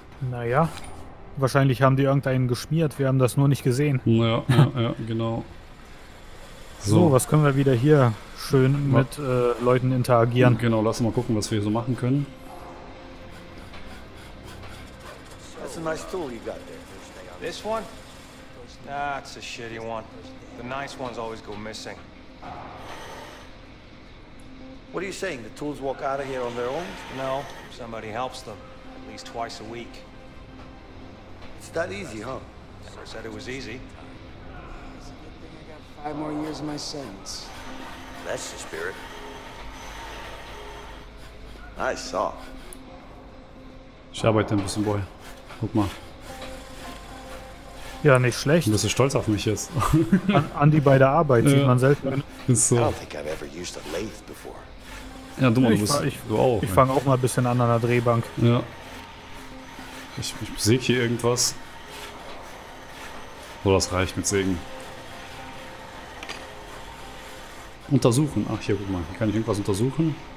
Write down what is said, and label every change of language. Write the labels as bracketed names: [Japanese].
[German] Naja, wahrscheinlich haben die irgendeinen geschmiert, wir haben das nur nicht gesehen. Ja, ja, ja, genau. So, was können wir wieder hier schön mit Leuten interagieren? Genau, lass mal gucken, was wir hier so machen können. [English] That's a nice tool you got there. This one? That's a shitty one. The nice ones always go missing. What are you saying? The tools walk out of here on their own? No, somebody helps them. At least twice a week. It's that easy, huh? Never said it was easy. It's a good thing I got five more years of my sentence. That's the spirit. Nice saw. [German] Ich arbeite ein bisschen, Boy. Guck mal. Ja, nicht schlecht. Du bist stolz auf mich jetzt. Andi bei der Arbeit sieht man selten. Ist so. [English] I don't think I've ever used a lathe before. [German] Ja, du, Mann, du bist ich, du auch. Ich fange auch mal ein bisschen an der Drehbank. Ja. Ich säge hier irgendwas. So, das reicht mit Sägen. Untersuchen. Ach, hier, guck mal. Hier kann ich irgendwas untersuchen?